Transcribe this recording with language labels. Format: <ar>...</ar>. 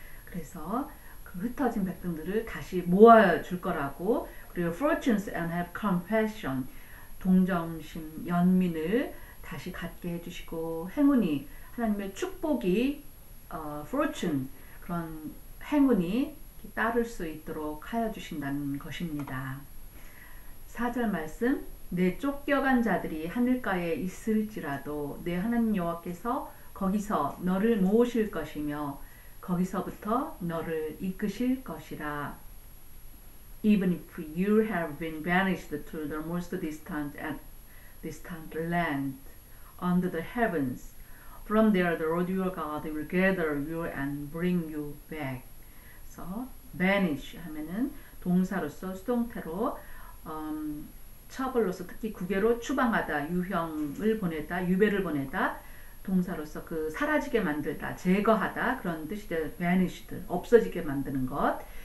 <ko>그래서 그 흩어진 백성들을 다시 모아줄 거라고 그리고</ko> <en>fortunes and have compassion</en> <ko>동정심 연민을 다시 갖게 해주시고 행운이 하나님의 축복이 fortune 그런 행운이 따를 수 있도록 하여 주신다는 것입니다. 4절 말씀 내 쫓겨간 자들이 하늘가에 있을지라도 내 하나님 여호와께서 거기서 너를 모으실 것이며 거기서부터 너를 이끄실 것이라.</ko> <en>Even if you have been banished to the most distant and distant land under the heavens, from there the Lord your God will gather you and bring you back. So</en> <ko>banish 하면은 동사로서 수동태로 처벌로서 특히 국외로 추방하다, 유형을 보내다, 유배를 보내다. 동사로서 그 사라지게 만들다, 제거하다 그런 뜻이 돼 banished, 없어지게 만드는 것.</ko>